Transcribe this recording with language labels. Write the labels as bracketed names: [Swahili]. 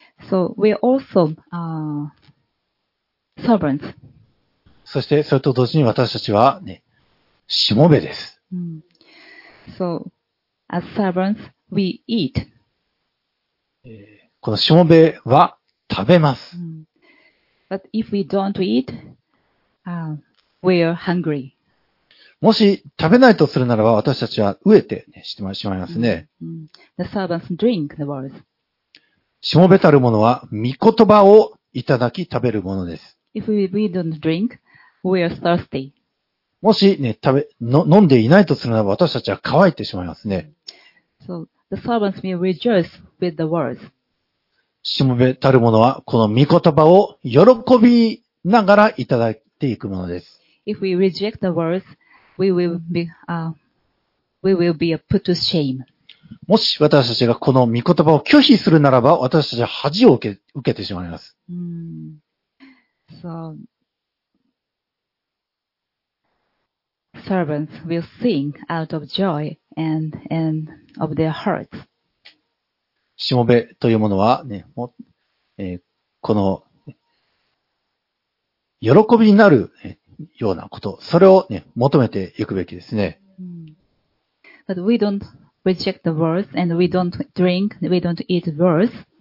[English] So we also, servants. [Japanese] そしてそれと同時に私たちはね、しもべです。 [English] So, as servants, we eat. [Japanese] このしもべは食べます。 [English] But if we don't eat, we are hungry. [Japanese] もし食べないとするならば私たちは飢えて、ね、してしまいますね。 [English] The servants drink the words. [Japanese] しもべたる者は御言葉をいただき食べるものです。 [English] If we don't drink, we are thirsty. [Japanese] もし、ね、飲んでいないとするならば私たちは乾いてしまいますね。 [English] So the servants may rejoice with the words. [Japanese] しもべたる者はこの御言葉を喜びながらいただいていくものです。 [English] If we reject the words,We will be put to shame. [Japanese] もし私たちがこの御言葉を拒否するならば、私たちは恥を受けてしまいます。 [English] So, servants will sing out of joy and of their hearts. [Japanese] しもべというものはね、この喜びになる。ようなこと、それをね、求めていくべきですね。 [English] But we don't reject the words and we don't drink, we don't eat words.